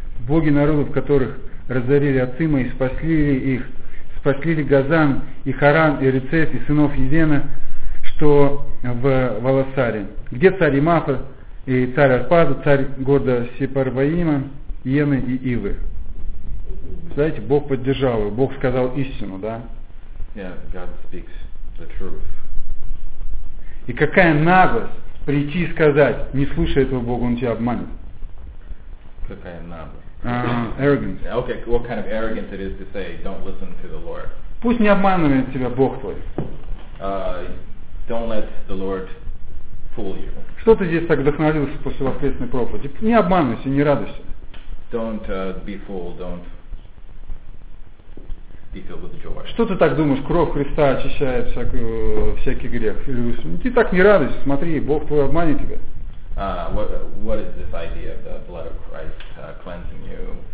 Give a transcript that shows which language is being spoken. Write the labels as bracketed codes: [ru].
[ru] Боги народов, которых разорили отцы мои, спасли ли их, спасли ли Газан и Харан и Рецеф и сынов Едена, что в Валасаре? Где царь Имафа и царь Арпаза, царь города Сепарваима, Иены и Ивы?» Знаете, Бог поддержал его, Бог сказал истину, да? [en] Yeah, God speaks the truth. [ru] И какая наглость прийти и сказать, не слушай этого Бога, он тебя обманет. Какая наглость? [en] Arrogance. Okay, what kind of arrogance it is to say, don't listen to the Lord. [ru] Пусть не обманывает тебя Бог твой. [en] Don't let the Lord fool you. [ru] Что ты здесь так вдохновился после воскресной проповеди? Не обманывайся, не радуйся. [en] Don't be fooled, don't be filled with joy. [ru] Что ты так думаешь, кровь Христа очищает всякий грех? Ты так не радуйся, смотри, Бог твой обманет тебя. [en] What is this idea of the blood of Christ cleansing you?